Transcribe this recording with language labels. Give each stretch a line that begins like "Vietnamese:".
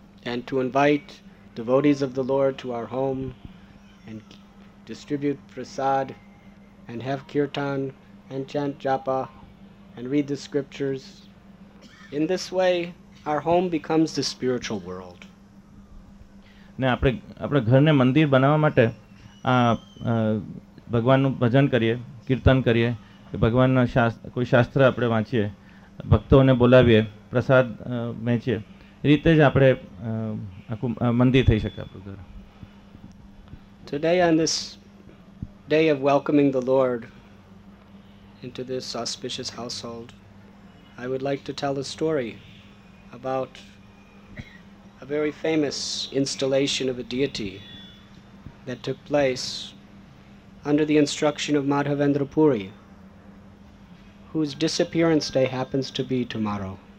English: And to invite devotees of the Lord to our home and distribute prasad and have kirtan and chant japa and read the scriptures. In this way, our home becomes the spiritual world.
Gujarati: ને આપણે આપણા ઘરને મંદિર બનાવવા માટે આ ભગવાનનું ભજન કરીએ, કીર્તન કરીએ, ભગવાનના કોઈ શાસ્ત્ર આપણે વાંચીએ, ભક્તોને બોલાવીએ, પ્રસાદ વહેંચીએ, એ રીતે જ આપણે આખું મંદિર થઈ શકે આપણું ઘર.
English: Today on this day of welcoming the Lord into this auspicious household, I would like to tell a story about a very famous installation of a deity that took place under the instruction of Madhavendra Puri, whose disappearance day happens to be tomorrow.